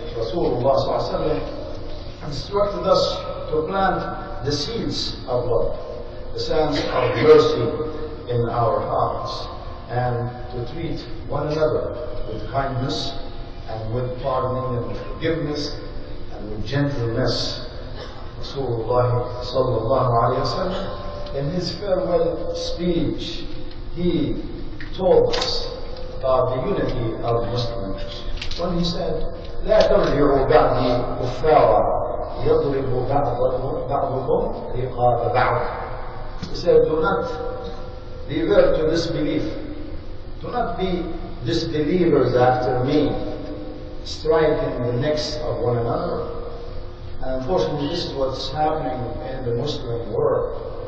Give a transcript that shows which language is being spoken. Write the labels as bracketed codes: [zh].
[en] Rasulullah sallallahu alayhi wa sallam instructed us to plant the seeds of love, the sands of mercy in our hearts, and to treat one another with kindness and with pardoning and with forgiveness and with gentleness. Rasulullah sallallahu alayhi wa sallam, in his farewell speech, he told us about the unity of Muslims. When he said, [ar] لا ترجعوا بعدي كفارا يضرب بعضكم رقاب بعض. [en] He said, do not revert to disbelief. Do not be disbelievers after me, striking the necks of one another. And unfortunately, this is what's happening in the Muslim world.